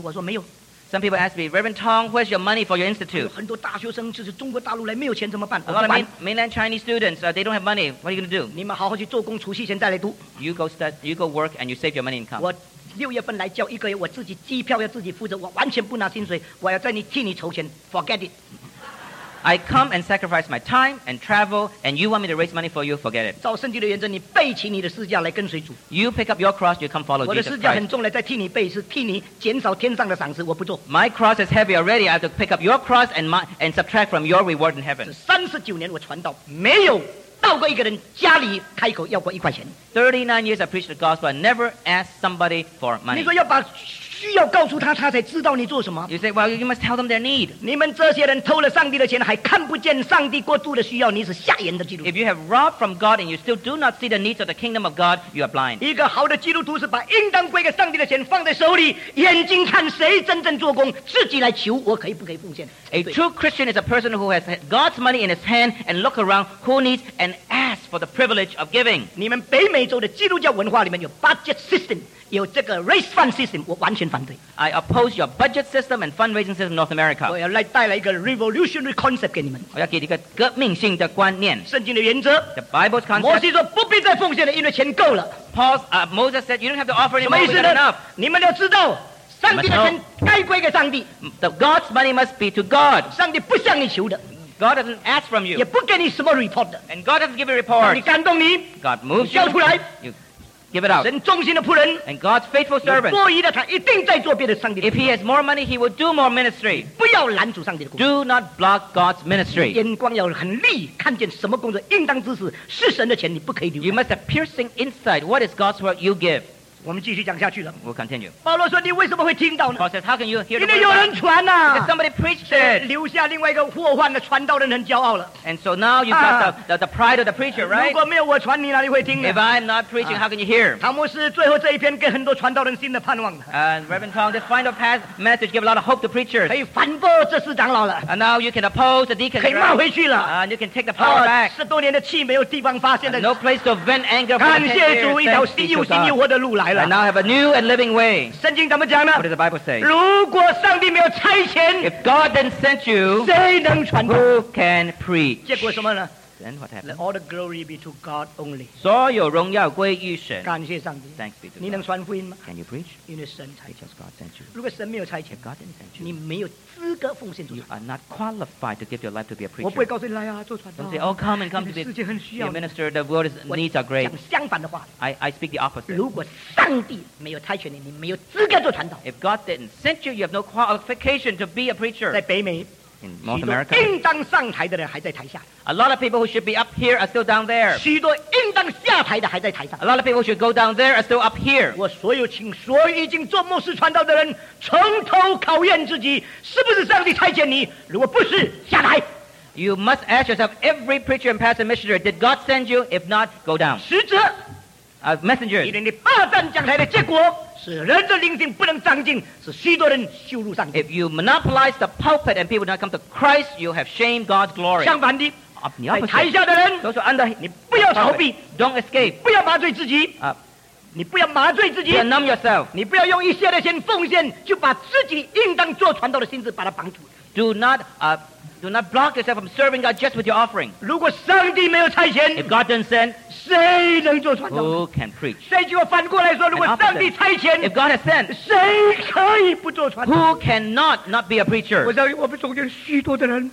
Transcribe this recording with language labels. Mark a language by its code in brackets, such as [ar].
[zh] 我说没有。 [en] Some people ask me, Reverend Tong, where's your money for your institute? [zh] 很多大学生就是中国大陆来，没有钱怎么办 [en] ？A lot of mainland Chinese students, they don't have money. What are you going to do? [zh] 你们好好去做工，储蓄钱再来读。 [en] You go work and you save your money and come. [zh] 我6月份来教一个月，我自己机票要自己负责，我完全不拿薪水，我要在你替你筹钱。 [en] Forget it. I come and sacrifice my time and travel, and you want me to raise money for you? Forget it. [zh] 照圣经的原则，你背起你的十字架来跟随主。 [en] You pick up your cross, you come follow Jesus Christ. [zh] 我的十字架很重了，再替你背是替你减少天上的赏赐，我不做。 [en] My cross is heavy already. I have to pick up your cross and subtract from your reward in heaven. [zh] 39年我传道，没有到过一个人家里开口要过一块钱。 [en] 39 years I preached the gospel, I never asked somebody for money. [zh] 你说要把需要告诉他，他才知道你做什么。 [en] You say, well, you must tell them their need. [zh] 你们这些人偷了上帝的钱，还看不见上帝国度的需要，你是瞎眼的基督徒。 [en] If you have robbed from God and you still do not see the needs of the kingdom of God, you are blind. [zh] 一个好的基督徒是把应当归给上帝的钱放在手里，眼睛看谁真正做工，自己来求我可以不可以奉献。 [en] A true Christian is a person who has God's money in his hand and look around who needs and ask for the privilege of giving. [zh] 你们北美洲的基督教文化里面有 [en] budget system。 [zh] 有这个 [en] race fund system, [zh] 我完全反对。 [en] I oppose your budget system and fundraising system in North America. [zh] 我要来带来一个 [en] revolutionary concept [zh] 给你们。我要给一个革命性的观念。圣经的原则。 [en] The Bible's concept. [zh] 摩西说不必再奉献了，因为钱够了。 [en] Moses said, you don't have to offer anymore. [zh] 什么意思呢？ [en] Enough. [zh] 你们要知道，上帝的钱该归给上帝。 [en] The God's money must be to God. [zh] 上帝不向你求的。 [en] God doesn't ask from you. [zh] 也不给你什么 report 的。 [en] And God doesn't give a report. [zh] 你感动你。 [en] God moves you. [zh] 你交出来。 [en] You. Give it out. [zh] 神忠心的仆人 [en] and God's faithful servant. [zh] 有多余的，他一定在做别的上帝的。 [en] If he has more money, he will do more ministry. [zh] 不要拦阻上帝的工作。 [en] Do not block God's ministry. [zh] 眼光要很利，看见什么工作应当支持，是神的钱，你不可以留。 [en] You must have piercing insight. What is God's word you give? [zh] 我们继续讲下去了。 [en] We'll continue. [zh] 保罗说：“你为什么会听到呢 [en] ？”Paul says, "How can you hear?" [zh] 因为有人传呐、啊。 [en] Because somebody preached it. [zh] 留下另外一个祸患的传道人很骄傲了。 [en] And so now you've got the pride of the preacher, right? [zh] 如果没有我传，你哪里会听呢 [en] ？If I'm not preaching, how can you hear? [zh] 唐牧师最后这一篇给很多传道人新的盼望。 [en] Reverend Tong, this final past message gave a lot of hope to preachers. [zh] 可以反驳这四长老了。 [en] And now you can oppose the deacon. [zh] 可以骂回去了。 [en] And you can take the power back. [zh] 十多年的气没有地方发泄的。 [en] No place to vent anger. [zh] 感谢主，一条新又新又活的路来。 [en] I now have a new and living way. [zh] 圣经怎么讲呢？ [en] What does the Bible say? [zh] 如果上帝没有差遣， [en] If God didn't send you, [zh] 谁能传道？ [en] Who can preach? [zh] 结果什么呢？ [en] Then what happened? Let all the glory be to God only. [zh] 所有荣耀归于神。感谢上帝。 [en] Thanks be to God. [zh] 你能传福音吗？ [en] Can you preach? [zh] 因为神差遣。 [en] Because God sent you. [zh] 如果神没有差遣， [en] If God didn't send you, [zh] 你没有资格奉献主。 [en] You are not qualified to give your life to be a preacher. [zh] 我不会告诉你来啊，做传道。 [en] Don't say, oh, come and come to be a minister. The world's needs are great. [zh] 讲相反的话。 [en] I speak the opposite. [zh] 如果上帝没有差遣你，你没有资格做传道。 [en] If God didn't send you, you have no qualification to be a preacher. [zh] 在北美。 [en] In North America, [zh] 许多应当上台的人还在台下。 [en] A lot of people who should be up here are still down there. [zh] 许多应当下台的还在台上。 [en] A lot of people who should go down there are still up here. [zh] 我所有请所有已经做牧师传道的人，从头考验自己，是不是上帝差遣你？如果不是，下台。 [en] You must ask yourself, every preacher and pastor and missionary, did God send you? If not, go down. [zh] 使者。 [en] Messengers. [zh] 因为你霸占讲台的结果。是人的灵性不能长进，是许多人羞辱上帝。 [en] If you monopolize the pulpit and people do not come to Christ, you have shamed God's glory. [zh] 相反的，在台下的人，都是 [en] under [zh] 你不要逃避 [en] ，don't escape， [zh] 不要麻醉自己。你不要麻醉自己 [en] numb yourself. [zh] 你不要用一些的先奉献，就把自己应当做传道的心智把它绑住。 [en] Do not block yourself from serving God just with your offering. [zh] 如果上帝没有差遣， [en] if God doesn't send, [zh] 谁能做传道？ [en] Who can preach? [zh] 谁就反过来说，如果上帝差遣， [en] if God has sent, [zh] 谁可以不做传道？ [en] Who cannot not be a preacher? [zh] 我相信我们中间许多的人，